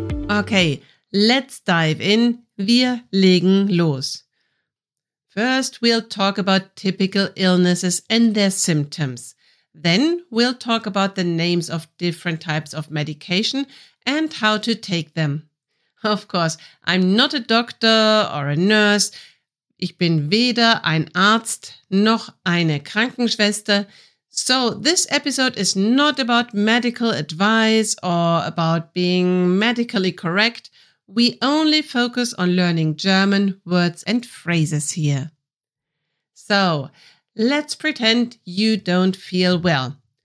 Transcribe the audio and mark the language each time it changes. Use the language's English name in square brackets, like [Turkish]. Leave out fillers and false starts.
[English] Okay, let's dive in. [German] Wir legen los. [English] First, we'll talk about typical illnesses and their symptoms. Then we'll talk about the names of different types of medication and how to take them. Of course, I'm not a doctor or a nurse. [German] Ich bin weder ein Arzt noch eine Krankenschwester. [English] So this episode is not about medical advice or about being medically correct. We only focus on learning German words and phrases here. So, let's pretend you don't feel well.